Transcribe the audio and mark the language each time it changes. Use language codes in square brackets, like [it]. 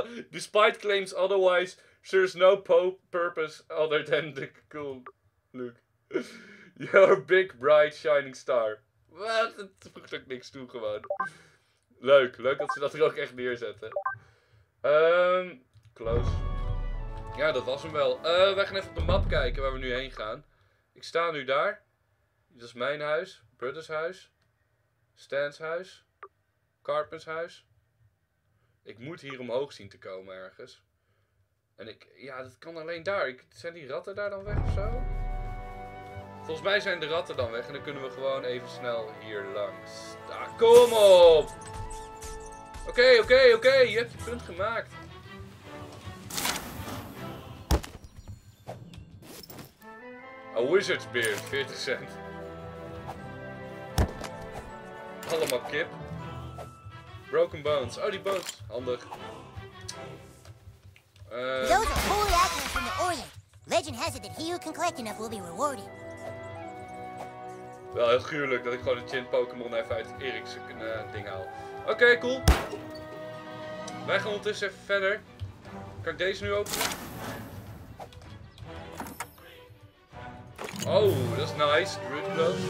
[en] Despite claims otherwise, there's no purpose other than the cool look. Your big bright shining star. Wat? [nl] Het voegt ook niks toe, gewoon. Leuk dat ze dat er ook echt neerzetten. Close. Ja, dat was hem wel. Wij gaan even op de map kijken waar we nu heen gaan. Ik sta nu daar. Dit is mijn huis. Brutus huis. Stan's huis. Carpens huis. Ik moet hier omhoog zien te komen ergens. En ik... Ja, dat kan alleen daar. Zijn die ratten daar dan weg of zo? Volgens mij zijn de ratten dan weg. En dan kunnen we gewoon even snel hier langs. Ah, kom op! Oké. Je hebt je punt gemaakt. [en] A wizard's beard, 40 cent. [nl] Allemaal kip. [en] Broken bones. [nl] Oh, die bones. Handig. [en] Those are holy items from the Orient. Legend has it that he who can collect enough will be rewarded. [nl] Wel heel gruwelijk dat ik gewoon de chin Pokémon even uit Erik's ding haal. Oké, cool. Wij gaan ondertussen even verder. Kan ik deze nu openen? Oh, dat is nice. Druid gloves.